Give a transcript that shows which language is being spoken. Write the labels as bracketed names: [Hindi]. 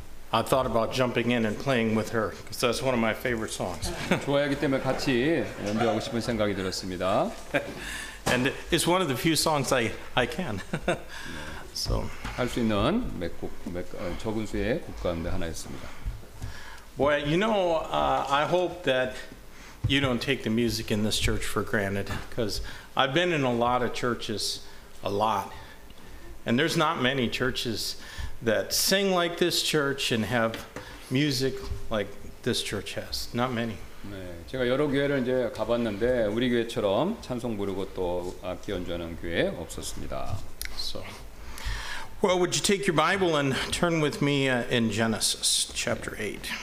[English] I thought about jumping in and playing with her because that's one of my favorite songs. [Korean] 좋아하기 때문에 같이 연주하고 싶은 생각이 들었습니다. [English] And it's one of the few songs I can. [Korean] So 할 수 있는 적은 수의 곡 가운데 하나였습니다. [English] Boy, you know, I hope that you don't take the music in this church for granted because I've been in a lot of churches, a lot, and there's not many churches that sing like this church and have music like this church has. Not many. [Korean] 네, 제가 여러 교회를 이제 가봤는데 우리 교회처럼 찬송 부르고 또 악기 연주하는 교회 없었습니다. [English] So, well, would you take your Bible and turn with me in Genesis chapter 8?